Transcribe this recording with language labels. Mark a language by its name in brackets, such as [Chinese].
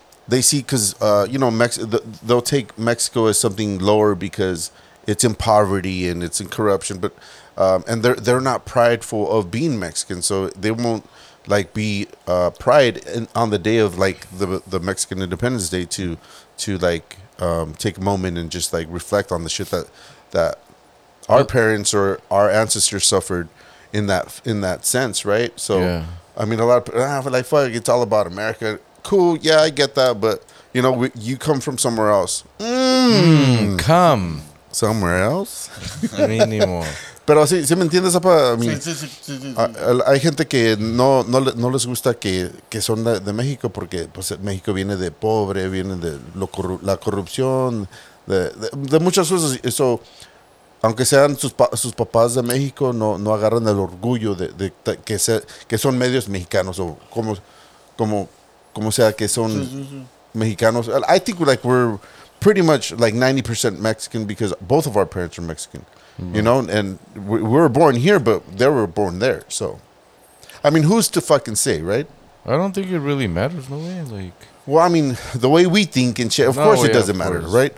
[English] they see, because, you know, they'll take Mexico as something lower because it's in poverty and it's in corruption, but and they're not prideful of being Mexican, so they won't, like, be pride in, on the day of, like, the Mexican Independence Day to take a moment and just, like, reflect on the shit that our parents or our ancestors suffered in that sense, right? So yeah. I mean, a lot of like, fuck, it's all about America. Cool, yeah, I get that, but you know, you come from somewhere else. Come somewhere else. Anymore. [Spanish] Pero si me entiendes, apa, [English] I mean, [Spanish] hay gente que no les gusta que son de México porque pues México viene de pobre, viene de la corrupción, de muchas cosas. So aunque sean sus papás de México, no agarran el orgullo de que son medios mexicanos o como sea que son mexicanos. [English] I think like we're pretty much like 90% Mexican because both of our parents are Mexican, you know, and we were born here, but they were born there. So, I mean, who's to fucking say, right? I don't think it really matters, no way. Like, well, I mean, the way we think and shit, of course it doesn't matter, right?